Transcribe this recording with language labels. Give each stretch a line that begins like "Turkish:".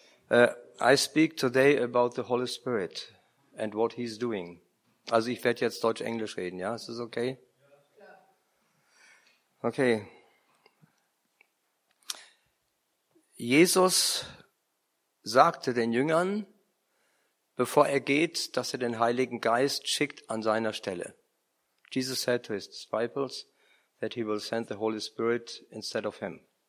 English: I speak today about the Holy Spirit and what he's doing.
German: Also ich werde jetzt Deutsch-Englisch reden, ja? Ist das okay? Okay. Jesus sagte den Jüngern, bevor er geht, dass er den Heiligen Geist schickt an seiner Stelle.
English: Jesus said to his disciples that he will send the Holy Spirit instead of him.